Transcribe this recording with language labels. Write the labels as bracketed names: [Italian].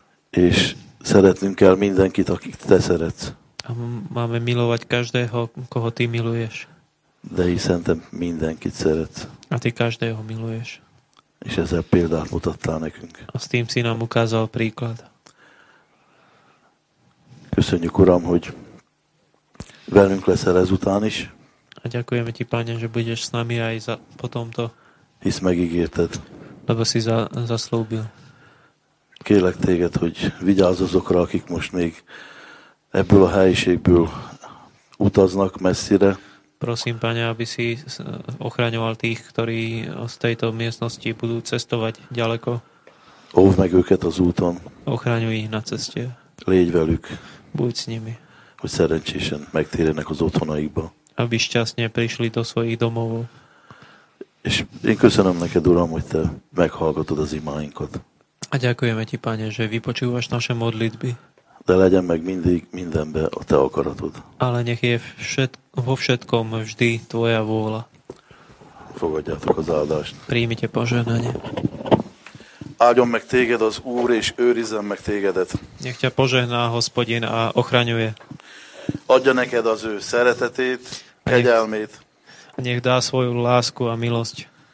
[Hungarian] És szeretnünk kell mindenkit, akit te szeretsz. [Slovak] A máme milovať každého, koho ty miluješ. [Hungarian] De hiszen te mindenkit szeretsz. [Slovak] A ty každého miluješ. [Hungarian] És ezzel példát mutattál nekünk. [Slovak] A s tým si nám ukázal príklad. [Hungarian] Köszönjük, Uram, hogy velünk leszel ezután is. [Slovak] A ďakujeme ti, Pane, že budeš s nami aj za, po tomto. [Hungarian] Hisz megígérted. [Slovak] Lebo si zaslúbil. [Hungarian] Kérlek téged, hogy vigyázz azokra, akik most még ebből a helyiségből utaznak messzire. [Slovak] Prosím, Pane, aby si ochraňoval tých, ktorí z tejto miestnosti budú cestovať ďaleko. [Hungarian] Óv meg őket az úton. [Slovak] Ochraňuj ich na ceste. [Hungarian] Légy velük. [Slovak] Buď s nimi. [Hungarian] Hogy szerencsésen megtérjenek az otthonaikba. [Slovak] Aby šťastne prišli do svojich domov. [Hungarian] És én köszönöm neked, Uram, hogy te meghallgatod az imáinkat. [Slovak] A ďakujeme ti, Pane, že vypočúvaš naše modlitby. [Hungarian] De legyen meg mindig mindenbe a te akaratod. [Slovak] Ale nech je vo všetkom vždy tvoja vôľa. [Hungarian] Fogadjátok az áldást. [Slovak] Príjmite požehnanie. [Hungarian] Áldjon meg téged az Úr, és őrizzen meg tégedet. [Slovak] Nech ťa požehná Hospodin a ochraňuje. [Hungarian] Adja neked az ő szeretetét, kegyelmét. [Slovak] Nech dá svoju lásku a milosť.